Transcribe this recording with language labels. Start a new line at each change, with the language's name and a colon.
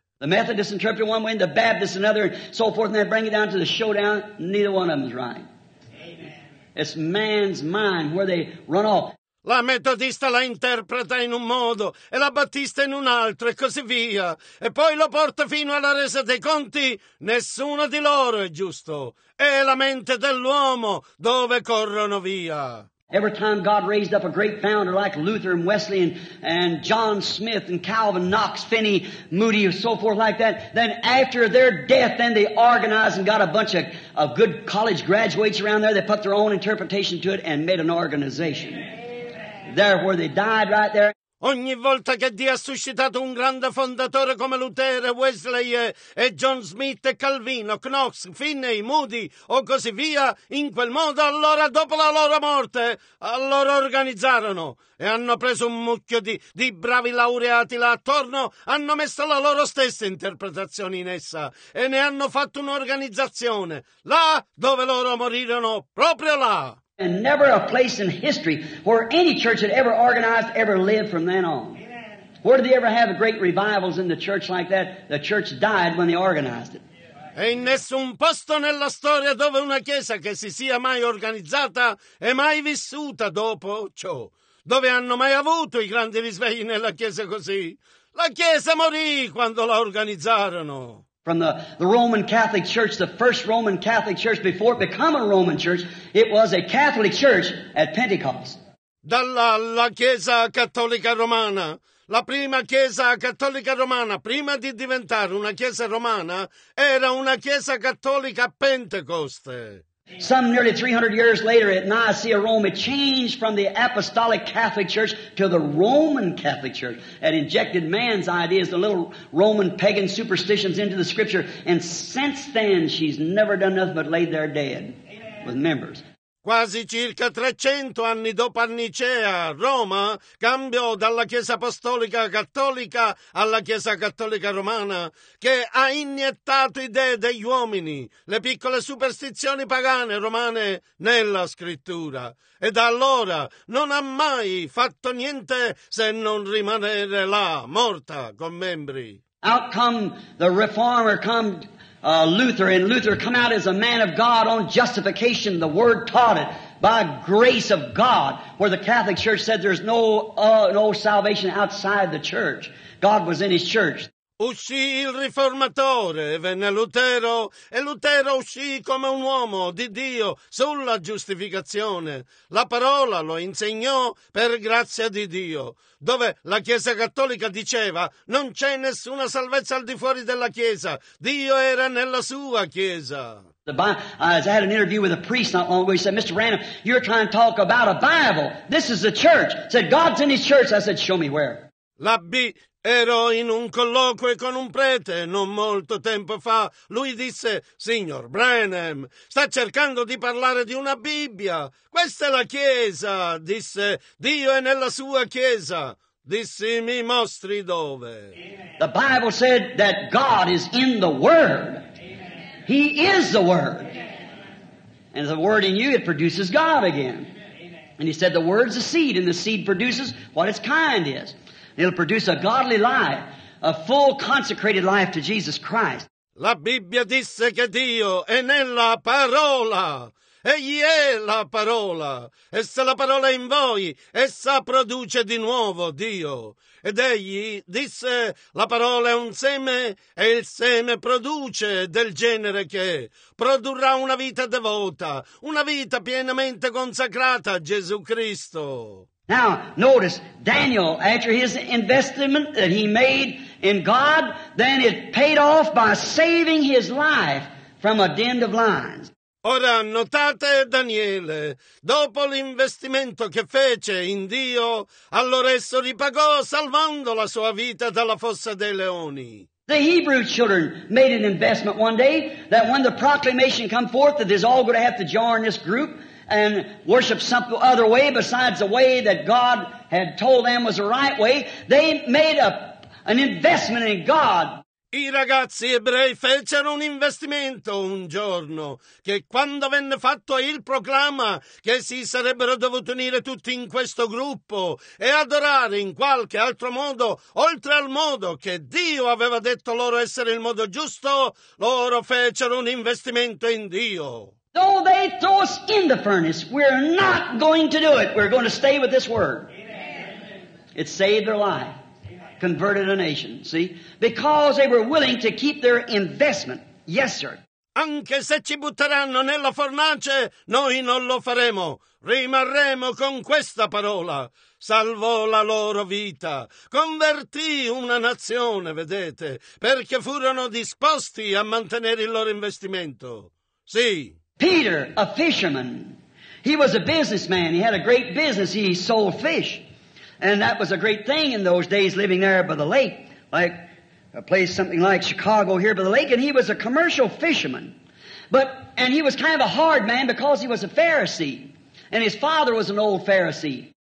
English: The Methodists interpret one way, and the Baptists another, and so forth, and they bring it down to the showdown. Neither one of them is right. Amen. It's man's mind where they run off.
Italian: La metodista la interpreta in un modo, e la battista in un altro, e così via. E poi lo porta fino alla resa dei conti. Nessuno di loro è giusto. È la mente dell'uomo dove corrono via.
English: Every time God raised up a great founder like Luther and Wesley and John Smith and Calvin, Knox, Finney, Moody, and so forth like that, then after their death, then they organized and got a bunch of good college graduates around there. They put their own interpretation to it and made an organization. Amen. There where they died right there.
Italian: Ogni volta che Dio ha suscitato un grande fondatore come Luther, Wesley e John Smith e Calvino, Knox, Finney, Moody o così via, in quel modo allora dopo la loro morte, allora organizzarono e hanno preso un mucchio di bravi laureati là attorno, hanno messo la loro stessa interpretazione in essa e ne hanno fatto un'organizzazione, là dove loro morirono, proprio là.
English: And never a place in history where any church had ever organized, ever lived from then on. Amen. Where did they ever have great revivals in the church like that? The church died when they organized it.
Italian: E in nessun posto nella storia dove una chiesa che si sia mai organizzata è mai vissuta dopo ciò. Dove hanno mai avuto i grandi risvegli nella chiesa così? La chiesa morì quando la organizzarono.
English: From the Roman Catholic Church, the first Roman Catholic Church, before it became a Roman Church, it was a Catholic Church at Pentecost.
Italian: Dalla Chiesa Cattolica Romana, la prima Chiesa Cattolica Romana, prima di diventare una Chiesa Romana, era una Chiesa Cattolica a Pentecoste.
English: Some nearly 300 years later at Nicaea, Rome, it changed from the Apostolic Catholic Church to the Roman Catholic Church and injected man's ideas, the little Roman pagan superstitions into the Scripture. And since then, she's never done nothing but laid there dead. Amen. With members.
Italian: Quasi circa 300 anni dopo Nicea, Roma cambiò dalla Chiesa Apostolica Cattolica alla Chiesa Cattolica Romana, che ha iniettato idee degli uomini, le piccole superstizioni pagane romane nella Scrittura. E da allora non ha mai fatto niente se non rimanere là, morta, con membri.
English: Out come the reformer, come Luther, and Luther come out as a man of God on justification. The Word taught it by grace of God, where the Catholic Church said there's no salvation outside the church. God was in his church.
Italian: Uscì il riformatore, venne Lutero, e Lutero uscì come un uomo di Dio sulla giustificazione. La parola lo insegnò per grazia di Dio, dove la Chiesa Cattolica diceva non c'è nessuna salvezza al di fuori della Chiesa, Dio era nella sua Chiesa.
English: I had an interview with a priest not long ago. He said, Mr. Branham, you're trying to talk about a Bible. This is the church. He said, God's in his church. I said, show me where. La B.
Italian: Ero in un colloquio con un prete non molto tempo fa. Lui disse: signor Branham, sta cercando di parlare di una Bibbia. Questa è la Chiesa, disse. Dio è nella sua Chiesa. Dissi: mi mostri dove.
English: The Bible said that God is in the Word. He is the Word. And the Word in you, it produces God again. And he said the Word's a seed, and the seed produces what its kind is. It'll produce a godly life, a full consecrated life to Jesus Christ.
Italian: La Bibbia disse che Dio è nella parola. Egli è la parola. E se la parola è in voi, essa produce di nuovo Dio. Ed egli disse, la parola è un seme e il seme produce del genere che produrrà una vita devota, una vita pienamente consacrata a Gesù Cristo.
English: Now, notice, Daniel, after his investment that he made in God, then it paid off by saving his life from a den of lions.
Italian: Ora, notate, Daniele, dopo l'investimento che fece in Dio, allora esso ripagò salvando la sua vita dalla fossa dei leoni.
English: The Hebrew children made an investment one day that when the proclamation come forth that they're all going to have to join this group, and worship some other way besides the way that God had told them was the right way, they made an investment in God.
Italian: I ragazzi ebrei fecero un investimento un giorno, che quando venne fatto il proclama che si sarebbero dovuti unire tutti in questo gruppo e adorare in qualche altro modo, oltre al modo che Dio aveva detto loro essere il modo giusto, loro fecero un investimento in Dio.
English: Though they throw us in the furnace, we're not going to do it. We're going to stay with this word. Amen. It saved their life, converted a nation, see? Because they were willing to keep their investment. Yes, sir.
Italian: Anche se ci butteranno nella fornace, noi non lo faremo. Rimarremo con questa parola. Salvò la loro vita. Convertì una nazione, vedete, perché furono disposti a mantenere il loro investimento. Sì.
English: Peter, a fisherman, he was a businessman, he had a great business, he sold fish, and that was a great thing in those days living there by the lake, like a place something like Chicago here by the lake, and he was a commercial fisherman, and he was kind of a hard man because he was a Pharisee, and his father was an old Pharisee.